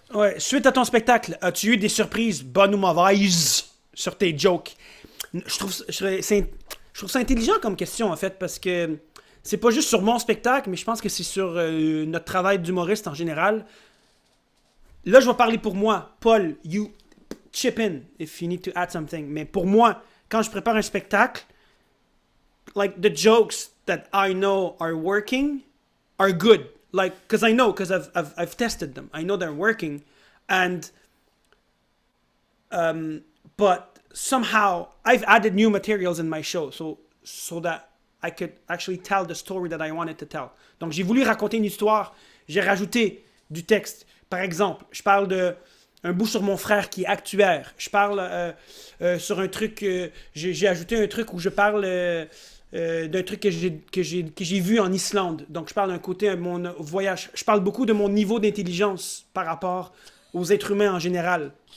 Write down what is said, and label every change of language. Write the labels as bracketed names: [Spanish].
[French] Ouais, suite à ton spectacle, as-tu eu des surprises, bonnes ou mauvaises, sur tes jokes? Je trouve ça intelligent comme question, en fait, parce que c'est pas juste sur mon spectacle, mais je pense que c'est sur notre travail d'humoriste en général. Là, je vais parler pour moi. [English] Paul, you chip in if you need to add something. [French] Mais pour moi, quand je prépare un spectacle, [English] like, the jokes that I know are working are good. Like, because I know, because I've tested them. I know they're working. And, but somehow, I've added new materials in my show so that I could actually tell the story that I wanted to tell. [French] Donc, j'ai voulu raconter une histoire. J'ai rajouté du texte. Par exemple, je parle d'un bout sur mon frère qui est actuaire. Je parle sur un truc, j'ai ajouté un truc où je parle d'un truc que j'ai vu en Islande. Donc, je parle d'un côté de mon voyage. Je parle beaucoup de mon niveau d'intelligence par rapport aux êtres humains en général.